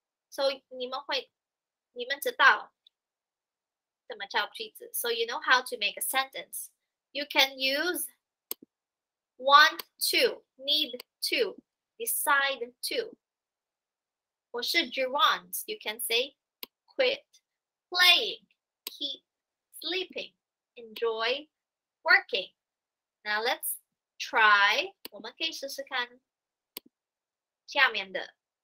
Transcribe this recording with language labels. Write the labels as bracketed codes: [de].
[zh] So, 你们会，你们知道怎么造句子。 [en] So, you know how to make a sentence. You can use want to, need to, decide to. [zh] 我是 [en] Gerund. You can say quit playing, keep sleeping, enjoy working. Now, let's try. [zh] 我们可以试试看下面的。